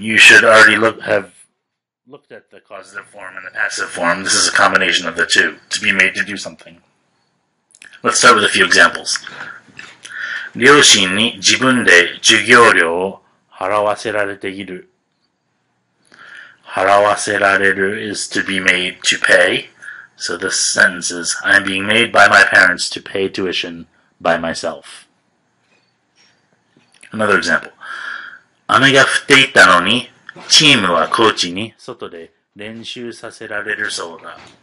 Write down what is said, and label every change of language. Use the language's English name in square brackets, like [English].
[English] You should already have looked at the causative form and the passive form. This is a combination of the two, to be made to do something. Let's start with a few examples. [Japanese] 両親に自分で授業料を払わせられている。払わせられる [English] is to be made to pay. So this sentence is, I'm being made by my parents to pay tuition by myself. Another example. [Japanese] 雨が降っていたのに、チームはコーチに外で練習させられるそうだ。